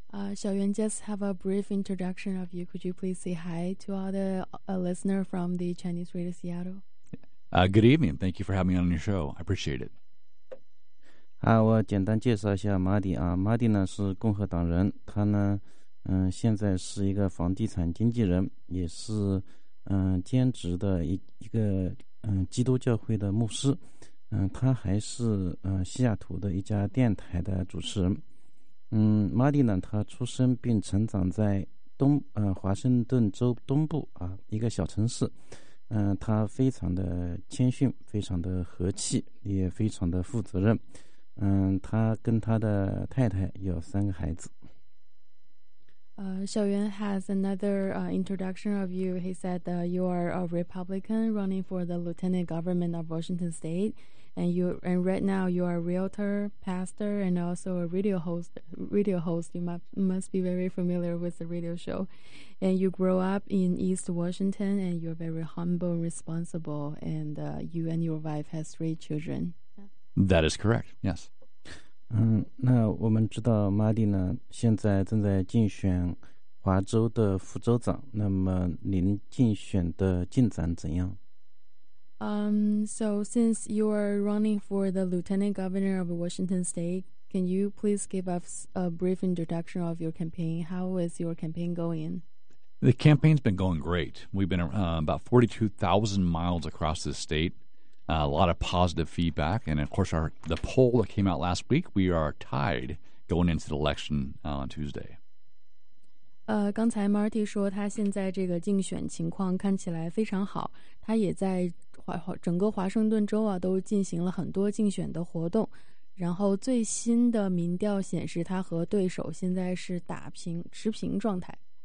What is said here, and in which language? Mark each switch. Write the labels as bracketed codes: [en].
[en] Xiao Yuan, just have a brief introduction of you. Could you please say hi to all the listeners from the Chinese Radio Seattle? Good evening. Thank you for having me on your show. I appreciate it. [zh] 我简单介绍一下 Marty 啊。 Marty 呢是共和党人，他呢，现在是一个房地产经纪人，也是兼职的一个基督教会的牧师。他还是西雅图的一家电台的主持人。玛丽呢，她出生并成长在华盛顿州东部啊一个小城市。她非常的谦逊，非常的和气，也非常的负责任。她跟她的太太有三个孩子。 [en] Xiao Yuan has another introduction of you. He said that you are a Republican running for the Lieutenant Governor of Washington State. And right now you are a realtor, pastor, and also a radio host. You must be very familiar with the radio show. And you grew up in East Washington, and you're very humble and responsible. And you and your wife have three children. That is correct, yes. [zh] 那我们知道 Marty 呢现在正在竞选华州的副州长，那么您竞选的进展怎样？ [en] So since you are running for the Lieutenant Governor of Washington State, can you please give us a brief introduction of your campaign? How is your campaign going? The campaign's been going great. We've been about 42,000 miles across the state. A lot of positive feedback, and of course, the poll that came out last week, we are tied going into the election on Tuesday. [zh] 刚才 Marty 说他现在这个竞选情况看起来非常好，他也在整个华盛顿州啊都进行了很多竞选的活动，然后最新的民调显示他和对手现在是持平状态。